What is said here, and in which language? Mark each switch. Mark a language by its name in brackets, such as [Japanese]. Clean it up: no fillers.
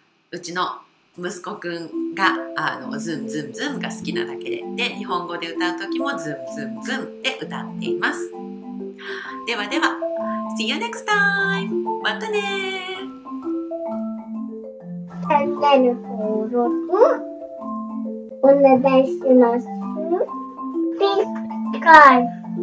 [Japanese] うちの息子くんが、ズームズームズームが好きなだけで、で、日本語で歌うときもズームズームズームって歌っています。ではでは、 [English] See you next time! [Japanese] またねー！チャンネル登録お願いします。 [English] Subscribe!